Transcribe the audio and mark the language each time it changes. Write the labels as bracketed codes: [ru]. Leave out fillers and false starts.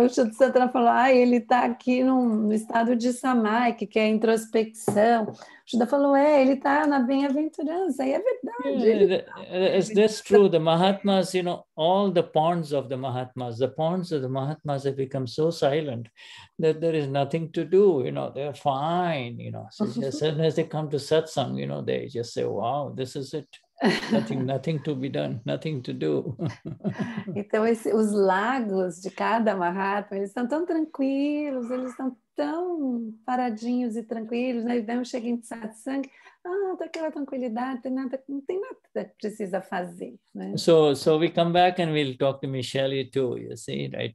[pt] O Chuto Santana falou, ele tá aqui no estado de Samaic, que é a introspecção. O Chuto falou, ele tá na bem-aventurança, e é verdade. [en] That's true. The Mahatmas, you know, all the pawns of the Mahatmas, the pawns of the Mahatmas have become so silent that there is nothing to do, you know, they're fine, you know. So as soon as they come to Satsang, you know, they just say, wow, this is it. nothing to be done, nothing to do. [pt] Então, os lagos de cada Mahatma, eles estão tão tranquilos, eles estão tão paradinhos e tranquilos, né? Então, chega em Satsang, tá aquela tranquilidade, não tem nada que precisa fazer. Né? [en] So we come back and we'll talk to Michelle too, you see, right?